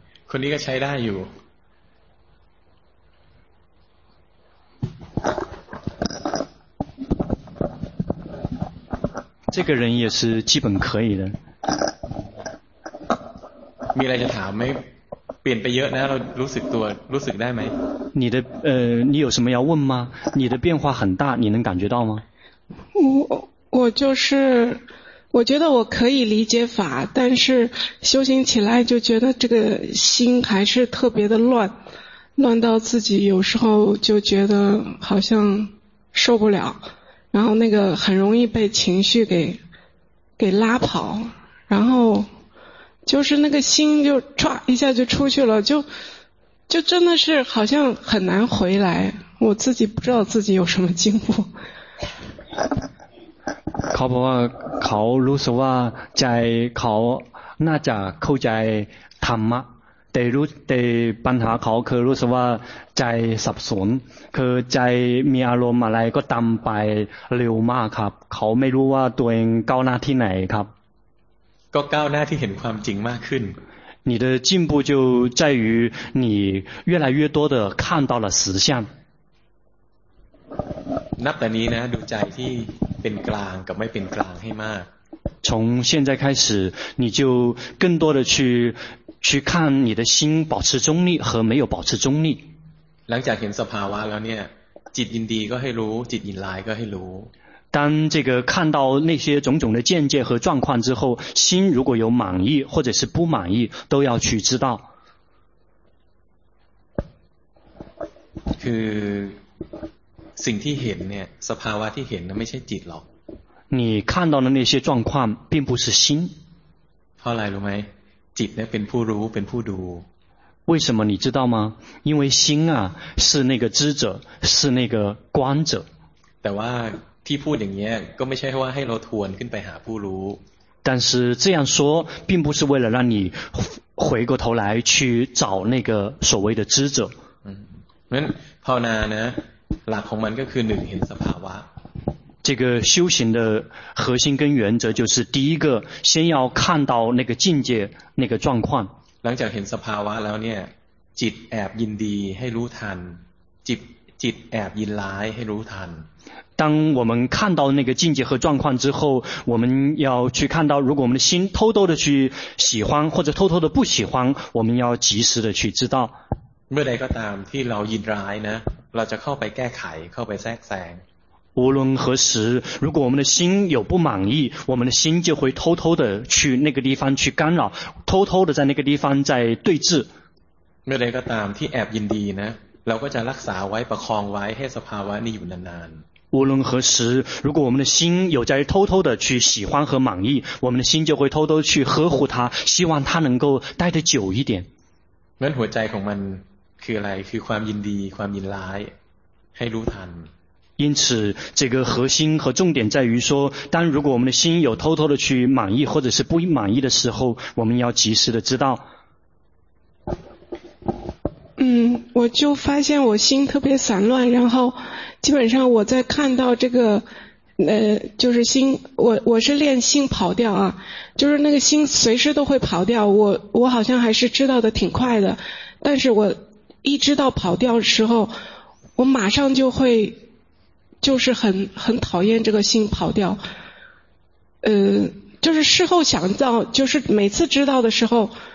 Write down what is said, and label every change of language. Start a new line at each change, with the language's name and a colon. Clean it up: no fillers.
Thai: คนนี้ก็ใช้ได้อยู่
Chinese: 这个人也是基本可以的。
Thai: มีอะไรจะถามไหมเปลี่ยนไปเยอะนะเรารู้สึกตัวรู้สึกได้ไหม
Chinese: 你的你有什么要问吗你的变化很大你能感觉到吗我就是我觉得我可以理解法但是修行起来就觉得这个心还是特别的乱乱到自己有时候就觉得好像受不了。然后那个很容易被情绪给拉跑然后就是那个心就唰一下就出去了就真的是好像很难回来我自己不知道自己有什么进步
Thai: เขาบอกว่าเขารู้สึกว่าใจเขาน่าจะเข้าใจธรรมะแต่รู้แต่ปัญหาเขาคือรู้สึกว่าใจสับสนคือใจมีอารมณ์อะไรก็ตามไปเร็วมากครับเขาไม่รู้ว่าตัวเองก้าวหน้าที่ไหนครับ ก็ก้าวหน้าที่เห็นความจริงมากขึ้น
Chinese: 你的进步就在于你越来越多的看到了实相
Thai: นับแต่นี้นะดูใจที่เป็นกลางกับไม่เป็นกลางให้มาก
Chinese: 从现在开始你就更多的去看你的心保持中立和没有保持中立
Thai: หลังจากเห็นสภาวะแล้วเนี่ยจิตยินดีก็ให้รู้จิตยินร้ายก็ให้รู้
Chinese: 当这个看到那些种种的见解和状况之后心如果有满意或者是不满意都要去知道
Thai: คือสิ่งที่เห็นเนี่ยสภาวะที่เห็นไม่ใช่จิตหรอก
Chinese: 你看到的那些状况并不是心
Thai: เพราะอะไรรู้ไหมจิตเนี่ยเป็นผู้รู้เป็นผู้ดู
Chinese: 为什么你知道吗因为心啊是那个知者是那个观者
Thai: แต่ว่าที่พูดอย่างเงี้ยก็ไม่ใช่ว่าให้เราทวนขึ้นไปหาผู้รู้
Chinese: 但是这样说并不是为了让你回过头来去找那个所谓的知者
Thai: งั้นภาวนานะหลักของมันก็คือหนึ่งเห็นสภาวะ
Chinese: 这个修行的核心跟原则就是第一个先要看到那个境界那个状况
Thai: หลังจากเห็นสภาวะแล้วเนี่ยจิตแอบยินดีให้รู้ทันจิตแอบยินร้ายให้รู้ทัน
Chinese: 当我们看到那个境界和状况之后我们要去看到如果我们的心偷偷的去喜欢或者偷偷的不喜欢我们要及时的去知道
Thai: เมื่อใดก็ตามที่เรายินร้ายนะเราจะเข้าไปแก้ไขเข้าไปแทรกแซง
Chinese: 无论何时如果我们的心有不满意我们的心就会偷偷的去那个地方去干扰偷偷的在那个地方在对峙
Thai: เมื่อใดก็ตามที่แอบยินดีนะเราก็จะรักษาไว้ประคองไว้ให้สภาวะนี้อยู่นาน
Chinese: ๆ无论何时如果我们的心有在偷偷的去喜欢和满意我们的心就会偷偷去呵护它希望它能够待得久一点
Thai: งั้นหัวใจของมันคืออะไรคือความยินดีความยินร้ายให้รู้ทัน
Chinese: 因此这个核心和重点在于说当如果我们的心有偷偷的去满意或者是不满意的时候我们要及时的知道我就发现我心特别散乱然后基本上我在看到这个就是心我是练心跑掉啊就是那个心随时都会跑掉我好像还是知道的挺快的但是我一知道跑掉的时候我马上就会就是很讨厌这个心跑掉就是事后想到就是每次知道的时候